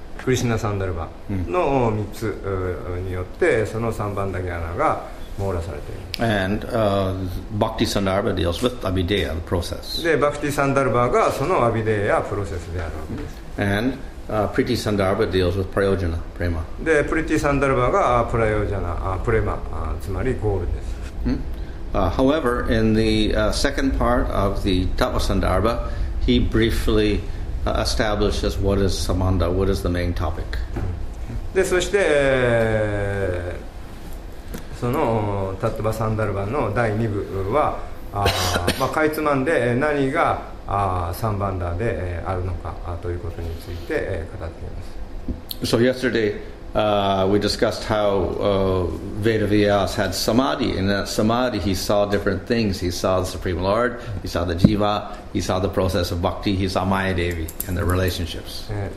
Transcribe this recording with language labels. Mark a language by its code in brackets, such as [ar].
[ja] クリシナサンダルバの3つによってその3番ダギャナが網羅されている。 [en] And Bhakti Sandarbha deals with Abhideya, the process. [ja] で、Bhakti Sandarbha がそのアビデやプロセスであるわけです。 [en] And Priti Sandarbha deals with Prayojana, Prema. [ja] で、Priti Sandarbha がプライオジャナ、プレマ、つまりゴールです。 [en] However, in the second part of the Tapa Sandarbha, he briefly establishes what is samanda, what is the main topic. [ja] で、そして、その、タットバサンダルバの第2部は、まあ、かいつまんで、何が、サンバンダで、あるのか、ということについて、語っています。 [en] So yesterday, we discussed how, Vedavyas had samadhi, and that samadhi, he saw different things. He saw the Supreme Lord, he saw the Jiva, he saw the process of bhakti, he saw Maya Devi and the relationships.